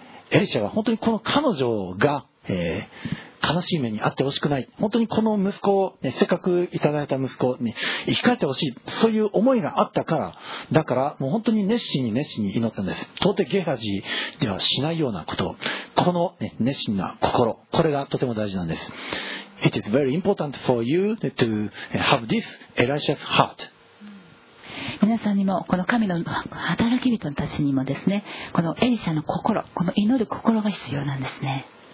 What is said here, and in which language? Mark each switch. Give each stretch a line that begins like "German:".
Japanese: エリシャは本当にこの彼女が、悲しい目にあってほしくない、本当にこの息子を、せっかくいただいた息子に生き返ってほしい、そういう思いがあったから、だからもう本当に熱心に熱心に祈ったんです。到底ゲハジではしないようなこと、この、熱心な心、これがとても大事なんです。
English: It is very important for you to have this Elisha's heart.
Japanese: 皆さんにも、この神の働き人たちにもですね、このエリシャの心、この祈る心が必要なんですね。